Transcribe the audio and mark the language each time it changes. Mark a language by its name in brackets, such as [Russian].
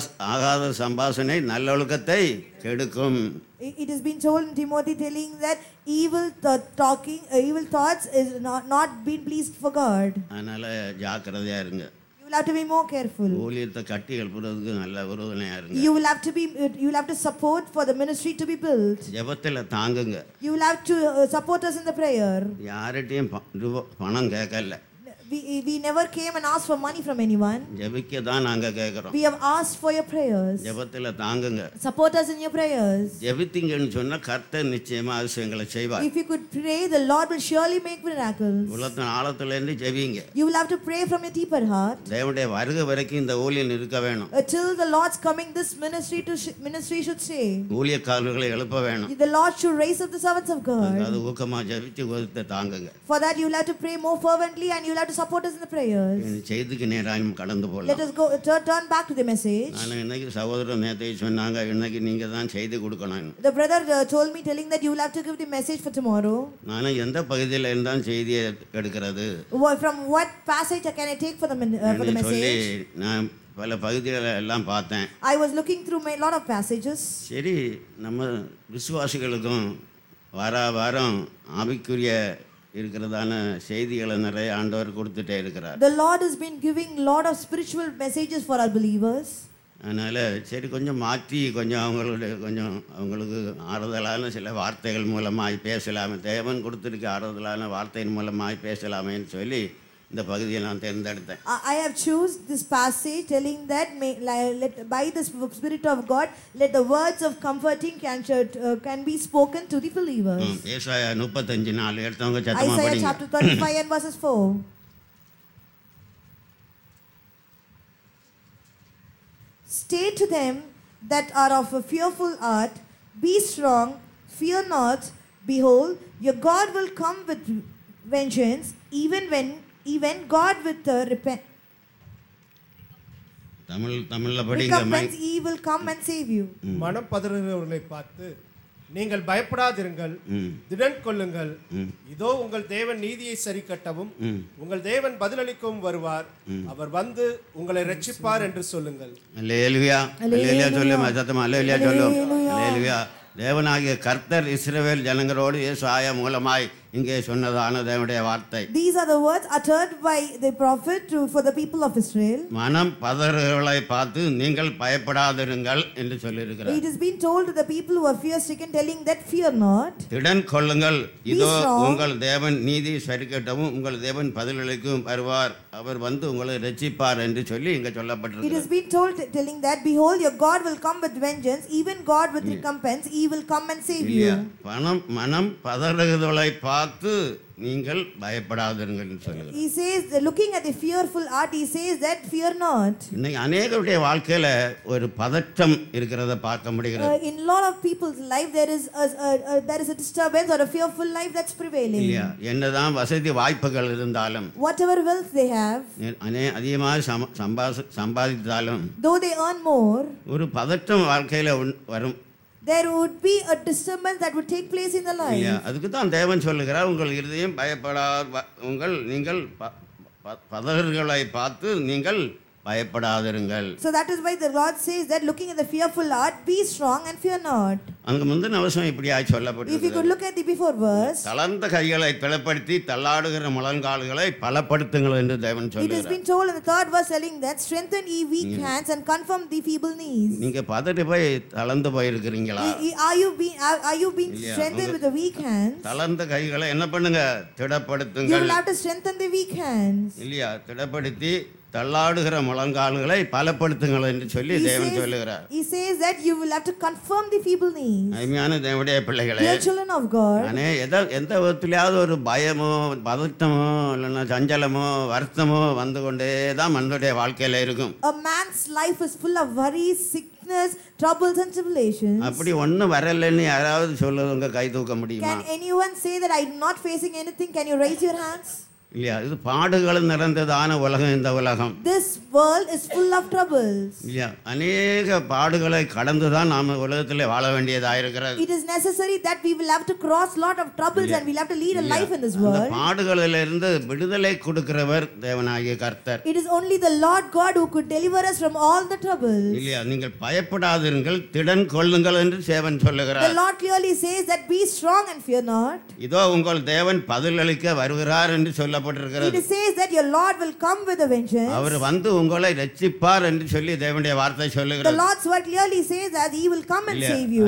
[Tamil] ஆகாத சம்பாஷணை நல்லொழுக்கத்தை கெடுக்கும். [English] It has been told in Timothy telling that evil thoughts is not been pleased for God. [Tamil] அதனால ஜாக்கிரதையா இருங்க. [English] You will have to be more careful. [Tamil] ஊழியத்தை கட்டி எழுப்புறதுக்கு நல்ல உறுதுணையா இருங்க. [English] You will have to support for the ministry to be built. [Tamil] ஜெபத்தில தாங்குங்க. [English] You will have to support us in the prayer. [Tamil] யார்கிட்டயும் பணம் கேட்கல. [English] We never came and asked for money from anyone. [Tamil] ஜெபிக்க தான் நாங்க கேக்குறோம். [English] We have asked for your prayers. [Tamil] ஜெபத்தில தாங்குங்க. [English] Support us in your prayers. [Tamil] ஜெபித்தீங்கன்னு சொன்னா கர்த்தர் நிச்சயமா அதிசயங்களை செய்வார். [English] If you could pray, the Lord will surely make miracles. [Tamil] உள்ளத்தின் ஆழத்துல இருந்து ஜெபிங்க. [English] You will have to pray from your deeper heart. [Tamil] தேவனுடைய வருகை வரைக்கும் இந்த ஊழியம் இருக்க வேணும். [English] Until the Lord's coming, this ministry should stay. [Tamil] ஊழியக்காரர்களை எழுப்ப வேணும். [English] The Lord should raise up the servants of God. [Tamil] அது ஊக்கமா ஜெபிச்சு கொடுத்து தாங்குங்க. [English] For that you will have to pray more fervently and you will have to support us in the prayers. [Tamil] இந்த செய்திக்கு நேராயும் கடந்து போலாம். [English] Let us go turn back to the message. [Tamil] நான் இன்னைக்கு சகோதரர் நேத்தே சொன்னாங்க இன்னைக்கு நீங்க தான் செய்தி கொடுக்கணும். [English] The brother told me telling that you will have to give the message for tomorrow. [Tamil] நான் எந்த பகுதியில் இருந்தான் செய்தி எடுக்கிறது? [English] From what passage can I take for the message? [Tamil] நான் பல பகுதிகளை எல்லாம் பார்த்தேன். [English] I was looking through my lot of passages. [Tamil] சரி நம்ம விசுவாசிகளுக்கும் வார வாரம் ஆவிக்குரிய இருக்கிறதான செய்திகளை நிறைய ஆண்டவர் கொடுத்துட்டே இருக்கிறார். [English] The Lord has been giving lot of spiritual messages for our believers. [Tamil] அதனால சரி கொஞ்சம் மாற்றி கொஞ்சம் அவங்களுக்கு ஆறுதலான சில வார்த்தைகள் மூலமாக பேசலாமே, தேவன் கொடுத்துருக்க ஆறுதலான வார்த்தையின் மூலமாக பேசலாமேன்னு சொல்லி இந்த பகுதியை நான் தேர்ந்தெடுத்தேன். [English] I have choose this passage telling that by the spirit of God let the words of comforting can be spoken to the believers. [Tamil] ஏசாயா 35 4 எடுத்தவங்க சத்தமா படிங்க. [English] Isaiah chapter 35 and verses 4. Say to them that are of a fearful heart, be strong, fear not, behold your God will come with vengeance, even God with the [Tamil] tamil la padinga [English] he will come and save you. [Tamil] மனம் பதறுகிறவர்களை பார்த்து நீங்கள் பயப்படாதிருங்கள், திடன் கொள்ளுங்கள், இதோ உங்கள் தேவன் நீதியை சரி கட்டவும் உங்கள் தேவன் பதிலளிக்கவும் வருவார், அவர் வந்து உங்களை ரட்சிப்பார் என்று சொல்லுங்கள். தேவனாகிய கர்த்தர் இஸ்ரவேல் ஜனங்களோடு இயேசு ஆயா மூலமாய் இங்கே சொன்னதான தேவனுடைய வார்த்தை. [English] These are the words uttered by the prophet for the people of Israel. [Tamil] மனம் பதறுகளை பார்த்து நீங்கள் பயப்படாதிருங்கள் என்று சொல்லியிருக்கிறார். [English] It has been told to the people who are fear stricken telling that fear not. [Tamil] திடன் கொள்ளுங்கள், இதோ உங்கள் தேவன் நீதி சரிக்கட்டவும் உங்கள் தேவன் பதிலளிக்கவும் வருவார், அவர் வந்து உங்களை ரட்சிப்பார் என்று சொல்லி இங்கே சொல்லப்பட்டிருக்கிறது. [English] It has been told telling that behold your God will come with vengeance, even God with recompense, he will come and save you. [Tamil] பணம் மனம் பதறுகளை பார்த்து நீங்கள் பயப்படாதிருங்கள் என்று சொல்லுகிறார். [English] He says looking at the fearful heart, he says that fear not. [Tamil] இன்னைக்கு அநேகருடைய வாழ்க்கையில ஒரு பதற்றம் இருக்கிறத பார்க்க முடிகிறது. [English] In lot of people's life there is a disturbance or a fearful life that's prevailing. [Tamil] என்னதான் வசதி வாய்ப்புகள் இருந்தாலும், [English] whatever wealth they have, [Tamil] அநேக அதிகமாக சம்பாதித்தாலும், [English] though they earn more, [Tamil] ஒரு பதற்றம் வாழ்க்கையில வரும். [English] There would be a disturbance that would take place in the life. [Tamil] Yeah, அதுக்கு தான் தேவன் சொல்கிறார், உங்கள் இதயம் பயப்படாத, உங்கள் நீங்கள் பதறுகளை பார்த்து நீங்கள் பயப்படாதிருங்கள். [English] So that is why the Lord says that looking at the fearful heart, be strong and fear not. [Tamil] அங்க முன்ன அவசியம் இப்படி ஆய் சொல்லப்பட்டிருக்கு. [English] If you could look at the before verse. [Tamil] தளர்ந்த கைகளை பலப்படுத்தி தள்ளாடுகிற முழங்கால்களை பலப்படுத்துங்கள் என்று தேவன் சொல்கிறார். [English] It has been told in the third verse telling that strengthen ye weak hands and confirm the feeble knees. [Tamil] நீங்க பதட்டி போய் தளர்ந்து போயிருக்கீங்களா? [English] Are you being strengthened with the weak hands? [Tamil] தளர்ந்த கைகளை என்ன பண்ணுங்க, திடப்படுத்துங்க. [English] You will have to strengthen the weak hands. [Tamil] இல்லையா, திடப்படுத்தி தள்ளாடுகிற முழங்கால்களை பலப்படுத்துங்கள் என்று சொல்லி தேவன் சொல்லுகிறார். [English] He says that you will have to confirm the feeble knees. [Tamil] ஐமியான தேவனுடைய பிள்ளைகளே, [English] dear children of God, [Tamil] அனே எந்த விதத்திலாவது ஒரு பயமோ பதட்டமோ இல்லைன்னா சஞ்சலமோ வருத்தமோ வந்து கொண்டே தான் மனிதனுடைய வாழ்க்கையில இருக்கும். [English] A man's life is full of worries, sickness, troubles and tribulations. [Tamil] அப்படி ஒண்ணு வரலன்னு யாராவது சொல்லுங்க, கை தூக்க முடியுமா? [English] Can anyone say that I'm not facing anything? Can you raise your hands? [Tamil] இல்லையா, இது பாடுகள் நிறைந்ததான உலகம் இந்த உலகம். [English] This world is full of troubles. [Tamil] இல்லையா, அநேக பாடுகளை கடந்து தான் நாம உலகத்திலே வாழ வேண்டியதா இருக்கிறது. [English] It is necessary that we will have to cross lot of troubles and we will have to lead a life in this world. [Tamil] அந்த பாடுகளிலிருந்து விடுதலை கொடுக்கிறவர் தேவனாகிய கர்த்தர். [English] It is only the Lord God who could deliver us from all the troubles. [Tamil] இல்லையா, நீங்கள் பயப்படாதிருங்கள், திடன் கொள்ளுங்கள் என்று சேவன் சொல்கிறார். [English] The Lord clearly says that be strong and fear not. [Tamil] இதோ உங்கள் தேவன் பதிலளிக்க வருகிறார் என்று சொல்ல. [English] He says that your Lord will come with a vengeance. [Tamil] அவர் வந்து உங்களை ரட்சிப்பார் என்று சொல்லி தேவனுடைய வார்த்தை சொல்கிறது. [English] The Lord's word clearly says that he will come and save you.